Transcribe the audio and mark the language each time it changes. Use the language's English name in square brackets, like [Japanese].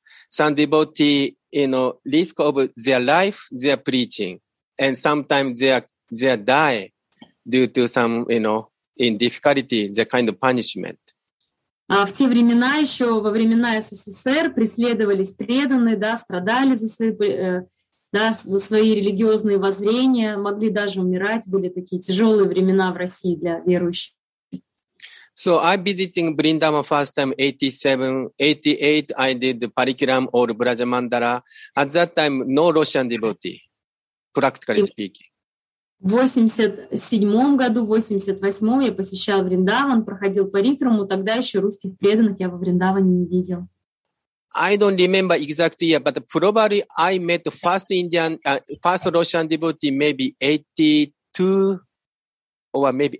[English] Some devotees, you know, risk of their life, their preaching. And sometimes they die due to some, you know, in difficulty, the kind of punishment. [Russian] А в те времена еще, во времена СССР, преследовались преданные, да, страдали за свои, да, за свои религиозные воззрения, могли даже умирать. Были такие тяжелые времена в России для верующих. [English] So I visiting Vrindavan first time 87, 88 I did parikram or brajamandala. At that time no Russian devotee, practically speaking. [Russian] В 87 году, в 88 я посещал Вриндаван, проходил парикраму. Тогда еще русских преданных я во Вриндаване не видел. [English] I don't remember exact year, but probably I met first Indian, first Russian devotee maybe 82 or maybe